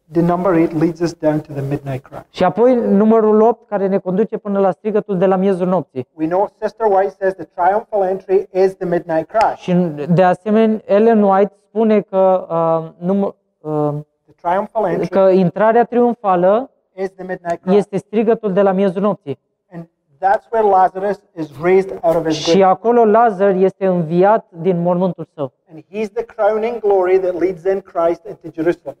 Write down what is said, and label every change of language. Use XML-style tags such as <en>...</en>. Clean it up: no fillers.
<en>The number 8 leads us down to the midnight cry.</en> <ro>Și apoi numărul 8 care ne conduce până la strigătul de la miezul nopții.</ro> <en>We know Sister White says the triumphal entry is the midnight cry.</en> <ro>Și de asemenea Ellen White spune că</ro> <en>the triumphal entry,</en> <ro>că intrarea triumfală</ro> <en>is the midnight cry.</en> <ro>Este strigătul de la miezul nopții.</ro> <en>And that's where Lazarus is raised out of his grave.</en> <ro>Și acolo Lazar este înviat din mormântul său.</ro> <en>And he's the crowning glory that leads in Christ into Jerusalem.</en>